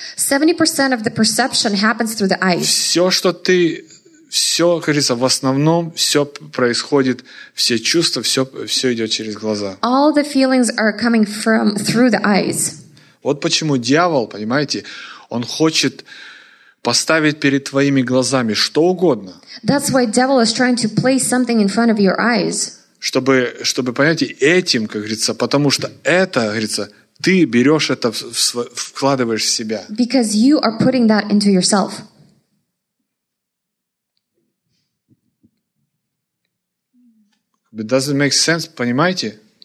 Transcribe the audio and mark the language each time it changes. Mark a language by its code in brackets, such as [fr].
[en] 70% of the perception happens through the eyes. [ru] Все, что ты, все, как говорится, в основном все происходит, все чувства, все идет через глаза. [en] All the feelings are coming from through the eyes. [ru] Вот почему дьявол, понимаете, он хочет поставить перед твоими глазами что угодно. [en] That's why devil is trying to place something in front of your eyes. [ru] Чтобы понять этим, как говорится, потому что это, как говорится, ты берешь это, вкладываешь в себя. [en] Because you are putting that into yourself. It doesn't make sense, [ru] понимаете?